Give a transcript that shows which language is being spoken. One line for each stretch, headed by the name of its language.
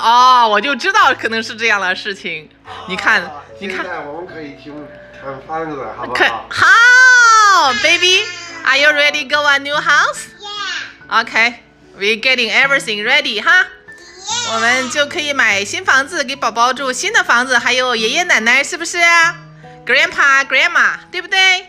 Chinese: 啊，我就知道可能是这样的事情。你看，你看。现在我们可以去看房子，好不好？好 ，baby.
English: Are you ready to go a new house? Yeah. Okay. We getting everything ready, huh?
Chinese: 我们就可以买新房子给宝宝住，新的房子还有爷爷奶奶，是不是、啊、？
English: Grandpa, Grandma,
Chinese: 对不对